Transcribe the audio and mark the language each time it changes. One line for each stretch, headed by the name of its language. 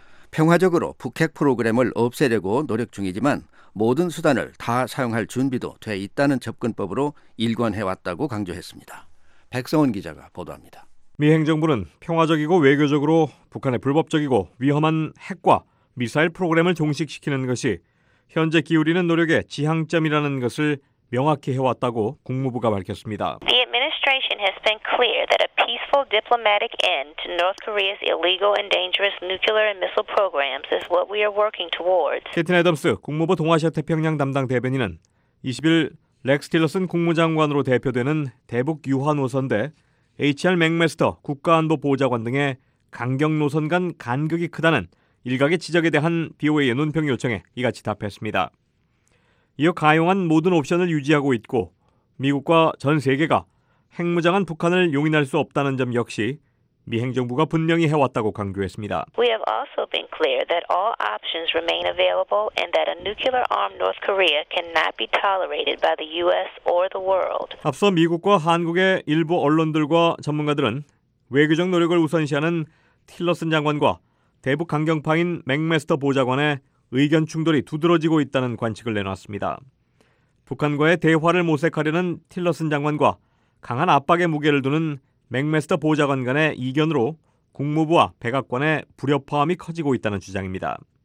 Korean: 평화적으로 북핵 프로그램을 없애려고 노력 중이지만 모든 수단을 다 사용할 준비도 돼 있다는 접근법으로 일관해왔다고 강조했습니다. 백성원 기자가 보도합니다. 미 행정부는 평화적이고 외교적으로 북한의 불법적이고 위험한 핵과 미사일 프로그램을 종식시키는 것이 현재 기울이는 노력의 지향점이라는 것을 명확히 해왔다고 국무부가 밝혔습니다.
English: The administration has been clear that a peaceful diplomatic end to North Korea's illegal and dangerous nuclear and missile programs is what we are working towards.
Korean: 캐튼 애덤스 국무부 동아시아 태평양 담당 대변인은 20일 렉스 틸러슨 국무장관으로 대표되는 대북 유화 노선 대 HR 맥메스터 국가안보 보좌관 등의 강경 노선 간 간극이 크다는 일각의 지적에 대한 BOA의 논평 요청에 이같이 답했습니다. 이어 가용한 모든 옵션을 유지하고 있고 미국과 전 세계가 핵무장한 북한을 용인할 수 없다는 점 역시 미 행정부가 분명히 해왔다고 강조했습니다.
English: We have also been clear that all options remain available and that a nuclear-armed North Korea cannot be tolerated by the U.S. or the world.
Korean: 앞서 미국과 한국의 일부 언론들과 전문가들은 외교적 노력을 우선시하는 틸러슨 장관과 대북 강경파인 맥메스터 보좌관의 의견 충돌이 두드러지고 있다는 관측을 내놨습니다. 북한과의 대화를 모색하려는 틸러슨 장관과 강한 압박의 무게를 두는 맥메스터 보좌관 간의 이견으로 국무부와 백악관의 불협화음이 커지고 있다는 주장입니다.